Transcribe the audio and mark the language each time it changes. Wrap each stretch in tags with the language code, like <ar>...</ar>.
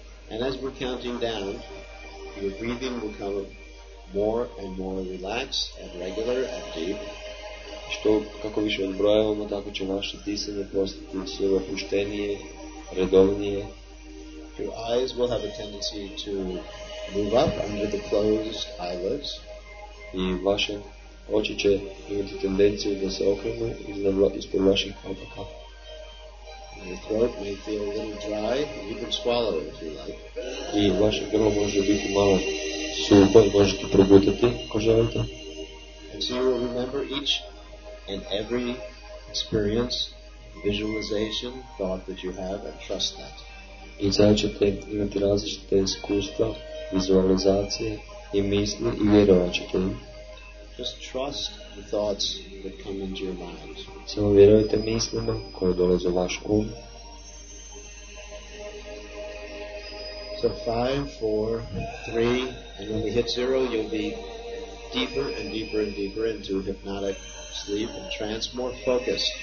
<en>And as we're counting down, your breathing will become more and more relaxed and regular and deep.</en> <hr>Što kako više odbrojavamo, tako će naše disanje postati sve opuštenije, redovnije.</hr> <en>Your eyes will have a tendency to move up under the closed eyelids.</en> <hr>I vaše oči će imati tendenciju da se okrenu ispod vaših kolpaka.</hr> <en>Your throat may feel a little dry, you can swallow it if you like.</en> <hr>I vaše grlo može biti malo suho, možete progutati ako želite.</hr> <en>And so you will remember each and every experience, visualization, thought that you have, and trust that.</en> <hr>I sad ćete imati različite iskustva, vizualizacije i misli i vjerovat ćete im.</hr> <en>Just trust the thoughts that come into your mind.</en> <hr>Samo vjerujte mislima koje dolaze u vaš um.</hr> <en>So 5, 4, 3, and when we hit 0, you'll be deeper and deeper and deeper into hypnotic sleep and trance, more focused.</en>